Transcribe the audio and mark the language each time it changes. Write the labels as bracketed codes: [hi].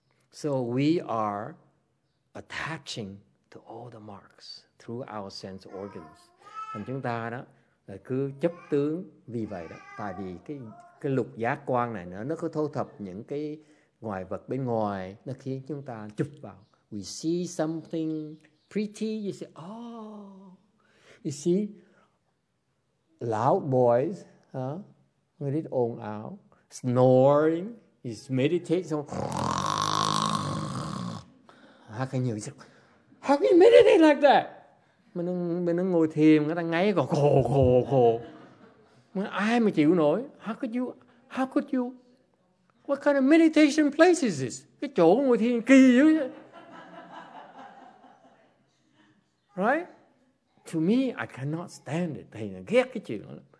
[en] So we are attaching to all the marks through our sense organs. [vi] Thành chúng ta đó là cứ chấp tướng vì vậy đó. Tại vì cái lục giác quan này nó cứ thu thập những cái ngoại vật bên ngoài, nó khiến chúng ta chụp vào. [en] We see something pretty, you say, oh, you see loud boys, huh? [vi] Rít ồn ào, [en] snoring, you meditate, so, how can you, how can you meditate like that? [vi] Mình đang ngồi thiền, người ta ngáy, gồ. Ai mà chịu nổi? [en] How could you? What kind of meditation place is this? [vi] Cái chỗ ngồi thiền kỳ dữ vậy. [en] Right? To me, I cannot stand it. [vi] Thầy ghét cái chuyện đó.